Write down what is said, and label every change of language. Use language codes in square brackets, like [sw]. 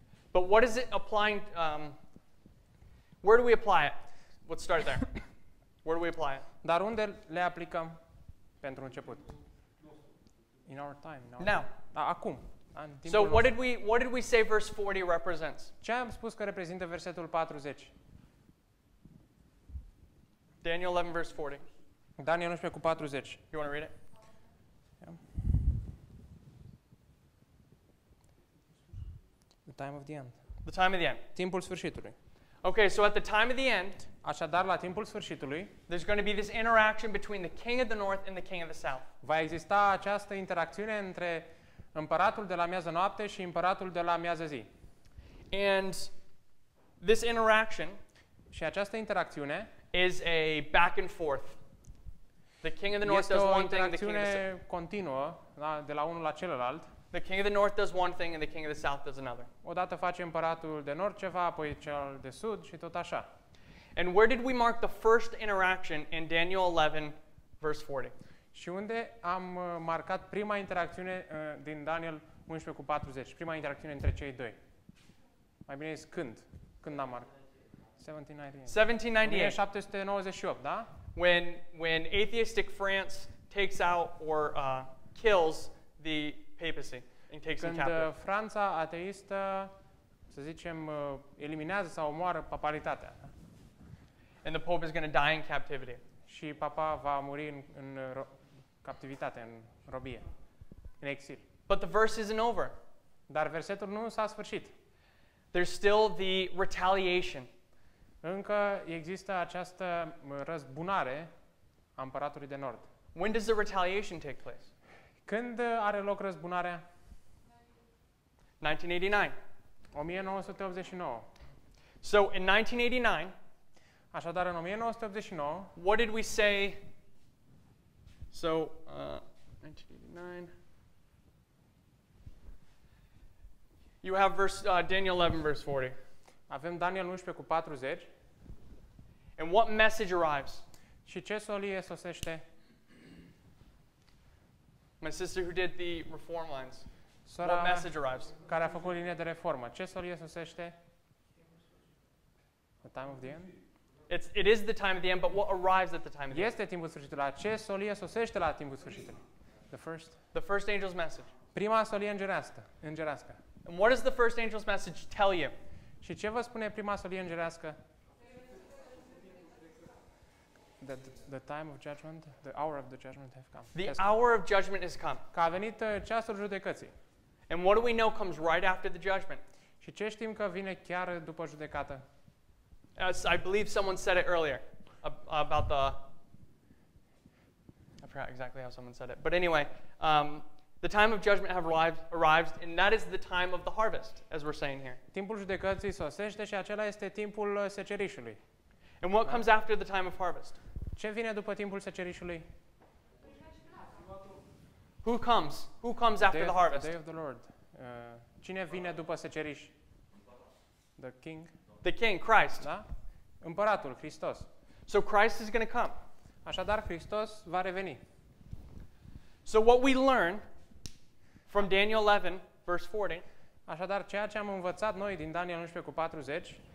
[en] But what is it applying where do we apply it? Let's start there. Where do we apply it? [ro] Dar unde le aplicăm pentru început? [en] In our time, no. Now. [ro] Acum. [en] So what did we say verse 40 represents? [ro] Ce am spus că reprezintă versetul 40? [en] Daniel 11 verse 40. [ro] Daniel 11 cu 40. [en] You want to read it? The time of the end. The time of the end. [ro] Timpul sfârșitului. [en] Okay, so at the time of the end, [ro] așadar la timpul sfârșitului, [en] there's going to be this interaction between the king of the north and the king of the south. [ro] Va exista această interacțiune între împăratul de la miază noapte și împăratul de la miază zi. [en] And this interaction, [ro] și această interacțiune, [en] is a back and forth. The king of the north does one thing, the king of the south. [ro] Este o continuă, de la unul la celălalt. [en] The king of the north does one thing and the king of the south does another. [ro] Odată face împăratul de nord ceva, apoi cel de sud și tot așa. [en] And where did we mark the first interaction in Daniel 11 verse 40? [ro] Și unde am marcat prima interacțiune din Daniel 11 cu 40? Prima interacțiune între cei doi. Mai bine zis când? Când am marcat? 1798. 1798, da? [en] When atheistic France takes out or kills the papacy and takes [ro] Când [en] captive. [ro] Franța ateistă, să zicem, eliminează sau omoară papalitatea. [en] And the pope is going to die in captivity. [ro] Și papa va muri în captivitate, în robie, în exil. [en] But the verse isn't over. [ro] Dar versetul nu s-a sfârșit. [en] There's still the retaliation. [ro] Încă există această răzbunare a împăratului de nord. [en] When does the retaliation take place? [ro] Când are loc răzbunarea? [en] 1989. So in 1989, [ro] așadar în 1989, [en] what did we say? So 1989. You have verse Daniel 11 verse 40. [ro] Avem Daniel 11 cu 40. [en] And what message arrives? [ro] Și ce solie sosește? [en] My sister who did the reform lines. What message arrives? [ro] Care a făcut linia de reformă. Ce solie sosește? [en] The time of the end? It is the time of the end, but what arrives at the time of the end? [ro] Este timpul sfârșitului. Ce solie sosește la timpul sfârșitului? [en] The first angel's message. [ro] Prima solie îngerească. [en] And what does the first angel's message tell you? [ro] Și ce vă spune prima solie îngerească? [en] That the time of judgment, the hour of the judgment has come. The hour of judgment has come. [ro] Că a venit ceasul judecății. [en] And what do we know comes right after the judgment? [ro] Și ce știm că vine chiar după judecată? [en] As I believe someone said it earlier about the. I forgot exactly how someone said it, but anyway, the time of judgment have arrived, and that is the time of the harvest, as we're saying here. [ro] Timpul judecății sosește și acela este timpul secerișului. [en] And what comes after the time of harvest? [ro] Ce vine după timpul secerișului? [en] Who comes? Who comes after the harvest? The day of the Lord. [ro] Cine vine după seceriș? [en] The king? The king, Christ. [ro] Da? Împăratul, Hristos. [en] So Christ is going to come. [ro] Așadar, Hristos va reveni. [en] So what we learn from Daniel 11, verse 40, [ro] așadar, ceea ce am învățat noi din Daniel 11 cu 40,